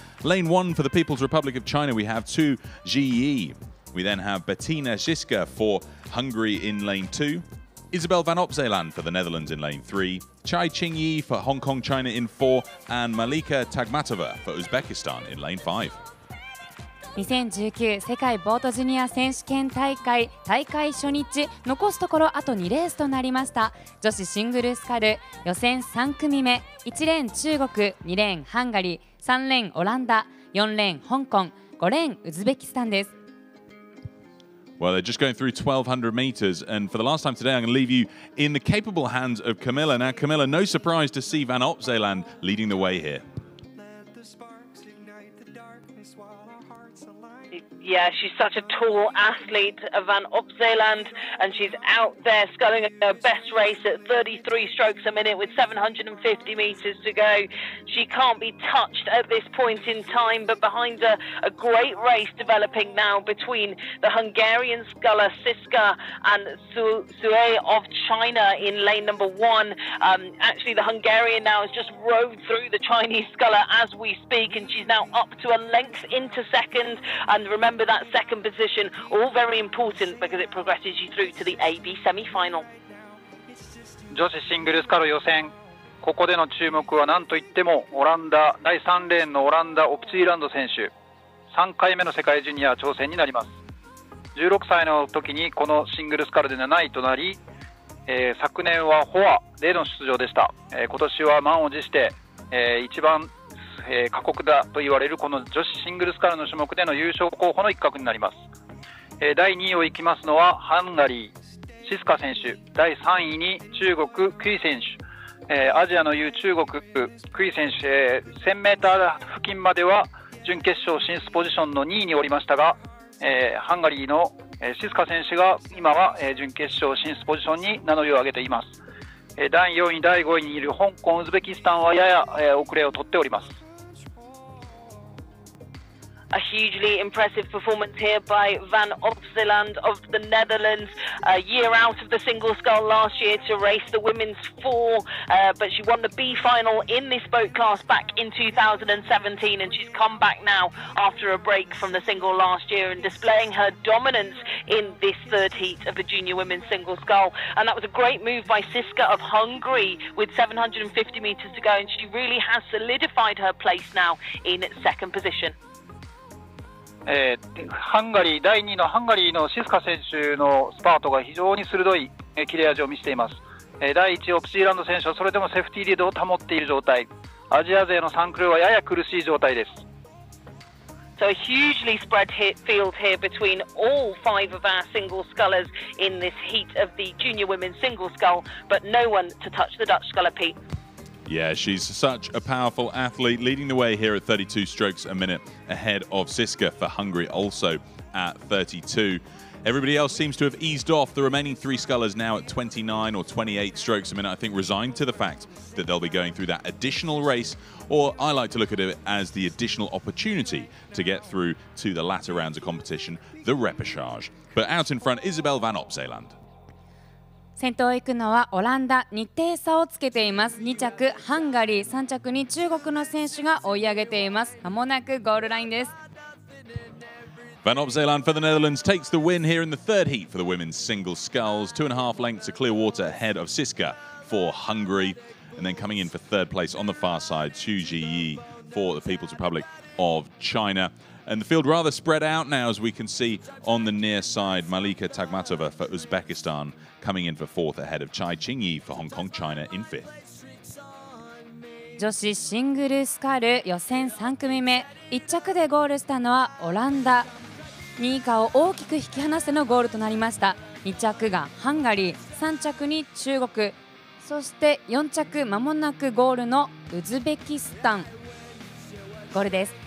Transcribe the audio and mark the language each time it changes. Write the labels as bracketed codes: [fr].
[en] Lane one for the People's Republic of China, we have Zhu Jiyi. We then have Bettina Ziska for Hungary in lane two, Isabel van Opzeeland for the Netherlands in lane three, Chai Qingyi for Hong Kong, China in four, and Malika Tagmatova for Uzbekistan in lane five. [ja] 2019世界ボートジュニア選手権大会、大会初日、残すところあと2レースとなりました。女子シングルスカル予選3組目、1レーン中国、2レーンハンガリー、3レーンオランダ、4レーン香港、5レーンウズベキスタンです。 [en] Well, they're just going through 1,200 meters. And for the last time today, I'm going to leave you in the capable hands of Camilla. Now, Camilla, no surprise to see Van Opzeeland leading the way here. Yeah, she's such a tall athlete, Van Opzeeland, and she's out there sculling her best race at 33 strokes a minute with 750 metres to go. She can't be touched at this point in time, but behind her, a great race developing now between the Hungarian sculler Siska and Sue of China in lane number one. Actually, the Hungarian now has just rode through the Chinese sculler as we speak, and she's now up to a length into second. And remember, that second position, all very important because it progresses you through to the AB semi-final. [ja] 女子シングルスカル予選、ここでの注目は何といってもオランダ、第3レーンのオランダ、オプツィーランド選手、3回目の世界ジュニア挑戦になります。 16歳の時にこのシングルスカルで7位となり、昨年はフォアでの出場でした。今年は満を持して、一番過酷だと言われるこの女子シングルスカルの種目での優勝候補の一角になります。第2位を行きますのはハンガリーシスカ選手、第3位に中国クイ選手、アジアの優中国クイ選手、1000メーター付近までは準決勝進出ポジションの2位におりましたが、ハンガリーのシスカ選手が今は準決勝進出ポジションに名乗りを上げています。第4位、第5位にいる香港、ウズベキスタンはやや遅れを取っております。 [en] A hugely impressive performance here by Van Opzeeland of the Netherlands. A year out of the single scull last year to race the women's four, but she won the B final in this boat class back in 2017, and she's come back now after a break from the single last year and displaying her dominance in this third heat of the junior women's single scull. And that was a great move by Siska of Hungary with 750 meters to go, and she really has solidified her place now in second position. [ja] ハンガリー第2位のハンガリーのシスカ選手のスパートが非常に鋭い切れ味を見せています。第1位オプシーランド選手はそれでもセーフティーリードを保っている状態、アジア勢の3クルーはやや苦しい状態です。 [en] So a hugely spread hit field here between all five of our single scullers in this heat of the junior women's single scull, but no one to touch the Dutch sculler Pete. Yeah, she's such a powerful athlete, leading the way here at 32 strokes a minute ahead of Siska for Hungary, also at 32. Everybody else seems to have eased off. The remaining three scullers now at 29 or 28 strokes a minute, I think, resigned to the fact that they'll be going through that additional race, or I like to look at it as the additional opportunity to get through to the latter rounds of competition, the repechage. But out in front, Isabel van Opzeeland. [ja] 先頭行くのはオランダ、2点差をつけています。 2着ハンガリー、3着に中国の選手が追い上げています。まもなくゴールラインです。 [en] Van Opzeeland for the Netherlands takes the win here in the third heat for the women's single sculls, 2.5 lengths of clear water ahead of Siska for Hungary, and then coming in for third place on the far side, Xu Jiyi for the People's Republic of China. And the field rather spread out now, as we can see on the near side. Malika Tagmatova for Uzbekistan coming in for fourth ahead of Chai Qingyi for Hong Kong, China in fifth. [ja] 女子シングルスカル予選3組目。1着でゴールしたのはオランダ。 2位以下を大きく引き離してのゴールとなりました。2着がハンガリー、3着に中国。そして4着、間もなくゴールのウズベキスタン。ゴールです。